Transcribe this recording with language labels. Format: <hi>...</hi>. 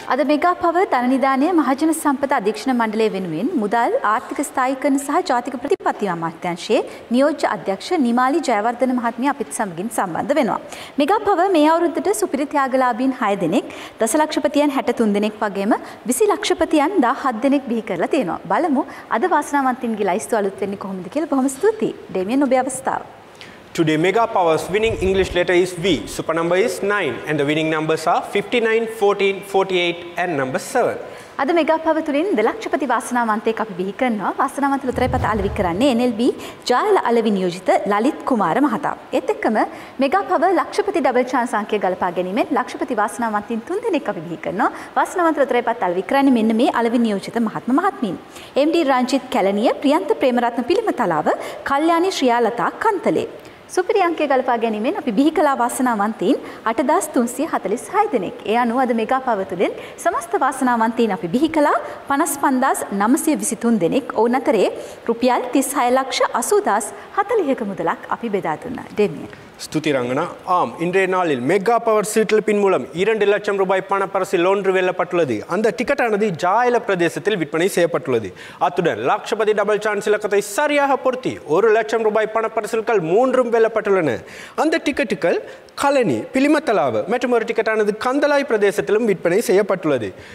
<si>අද මෙගා පව ධන නිධානය මහජන සම්පත අධීක්ෂණ මණ්ඩලය වෙනුවෙන් මුදල් ආර්ථික ස්ථායීකරණ සහ ජාතික ප්‍රතිපත්ති අමාත්‍යාංශයේ නියෝජ්‍ය අධ්‍යක්ෂ නිමාලි ජයවර්ධන මහත්මිය අපිත් සමගින් සම්බන්ධ වෙනවා. මෙගා පව මේ අවුරුද්දට සුපිරි ත්‍යාගලාභීන් 6 දෙනෙක්, දසලක්ෂපතියන් 63 දෙනෙක් වගේම 20 ලක්ෂපතියන් 17 දෙනෙක් බිහි කරලා තියෙනවා. බලමු අද වාසනාවන්තින්ගේ ලයිස්තු අලුත් වෙන්නේ කොහොමද කියලා. බොහොම ස්තුතියි ඩේමියන් ඔබේ අවස්ථාව.</si> <en>Today, Mega Power's winning English letter is V. Super number is 9 and the winning numbers are 59, 14, 48 and number 7.</en> <si>අද මෙගා පව තුළින් දලක්ෂපති වාසනාවන්තයෙක් අපි බිහි කරනවා. වාසනාවන්ත ලොතරැයිපත අලෙවි කරන්නේ NLB ජාල අලෙවි නියෝජිත ලලිත් කුමාර මහතා. ඒත් එක්කම මෙගා පව ලක්ෂපති ඩබල් චාන්ස් අංකය ගලපා ගැනීමෙන් ලක්ෂපති වාසනාවන්තින් 3 දෙනෙක් අපි බිහි කරනවා. වාසනාවන්ත ලොතරැයිපත අලෙවි කරන්නේ මෙන්න මේ අලෙවි නියෝජිත මහත්ම මහත්මීන්. MD රංජිත් කැලණිය, ප්‍රියන්ත ප්‍රේමරත්න පිළිමතලාව, කල්යාණී ශ්‍රියාලතා කන්තලේ. සුපිරි අංක ගල්පා ගැනීමෙන් අපි බිහිකලා වාසනාවන්තීන් 8346 දෙනෙක්. ඒ අනුව අද මෙගාපව තුළින් සමස්ත වාසනාවන්තීන් අපි බිහිකලා 55923 දෙනෙක්. ඔවුන් අතරේ රුපියල් 36,80,040ක මුදලක් අපි බෙදා දුන්නා. ඩෙමියන්. ස්තුති රංගනා.</si> <ta>ஆம் இன்றைய நாளில் மெகா பவர் சீட்டல் பின் மூலம் 2,00,000 ரூபாய் பண பரிசு லோன்று வெல்லப்பட்டுள்ளது. அந்த டிக்கெட் ஆனது ஜாயல பிரதேசத்தில் விற்பனை செய்யப்பட்டுள்ளது. அத்துடன் லட்சபதி டபுள் சான்ஸ் இலக்கத்தை சரியாக பொருத்தி 100,000 ரூபாய் பண பரிசுகள் 3 வெல்லப்பட்டுள்ளன. அந்த டிக்கெட்டுகள் கலனி பிலிமத்தலாவு மற்றும் ஒரு டிக்கெட் ஆனது கந்தலாய் பிரதேசத்திலும் விற்பனை செய்யப்பட்டுள்ளது.</ta>